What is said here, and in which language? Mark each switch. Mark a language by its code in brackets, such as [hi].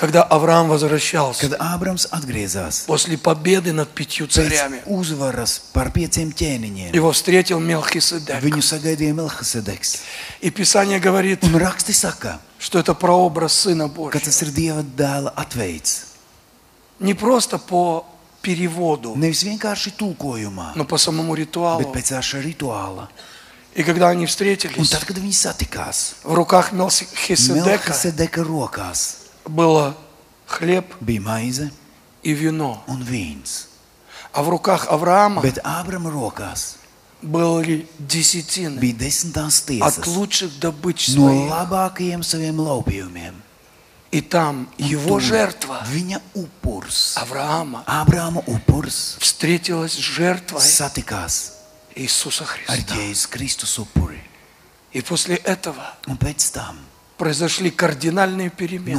[ru] Когда Авраам возвращался. [lv] Kad Ābrams atgriezās. [ru] После победы над пятью царями. [lv] Pēc uzvaras par pieciem ķēniņiem. [ru] Его встретил Мелхиседек. [lv] Viņu sagaidīja Мелхиседекс. [ru] И Писание говорит. [lv] Un raksti saka. [ru] Что это прообраз Сына Божия. [lv] Kad tas ir Dieva dēla atveids. [ru] Не просто по переводу. [lv] Nevis vienkārši tulkojumā. [ru] Но по самому ритуалу. [lv] Bet pēc šā rituāla. [ru] И когда они встретились. [lv] Un tad, kad viņi satikās. [ru] В руках Мелхиседека. [lv] Мелхиседека rokās. [ru] Было хлеб. [lv] Bija maize. [ru] И вино. [lv] Un vīns. [ru] А в руках Авраама. [lv] Bet Ābrama rokās. [ru] Были десятины. [lv] Bija desmitās tiesas. [ru] От лучших добыч [lv] своих. No labākajiem saviem laupījumiem. [ru] И там его жертва, [lv] viņa upurs, [ru] Авраама, [lv] Абрама upurs, [ru] встретилась с жертвой, [lv] satikās, [ru] Иисуса Христа, [lv] ar Jēzus Kristus upuri. [ru] И после этого, [lv] un pēc tam, [ru] произошли кардинальные перемены,